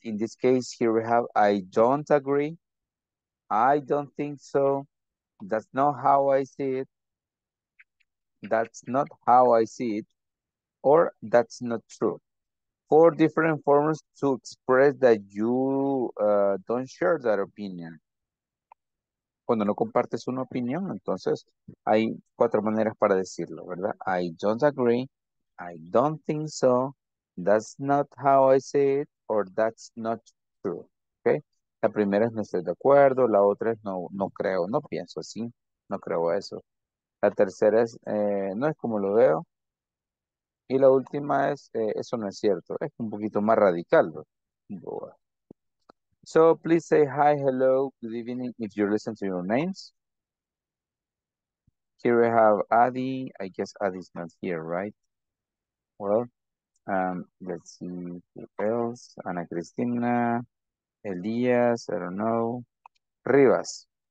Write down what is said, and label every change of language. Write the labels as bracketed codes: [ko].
[en] In this case, here we have I don't agree, I don't think so, that's not how I see it, that's not how I see it. Or that's not true. Four different forms to express that you don't share that opinion. [es] Cuando no compartes una opinión, entonces hay cuatro maneras para decirlo, ¿verdad? [en] I don't agree. I don't think so. That's not how I say it. Or that's not true. Okay. [es] La primera es no estoy de acuerdo. La otra es no creo. No pienso así. No creo eso. La tercera es no es como lo veo. Y la última es, eso no es cierto, es un poquito más radical. [en] So, please say hi, hello, good evening, if you listen to your names. Here we have Adi, I guess Adi's not here, right? Well, let's see who else, Ana Cristina, Elias, I don't know, Rivas.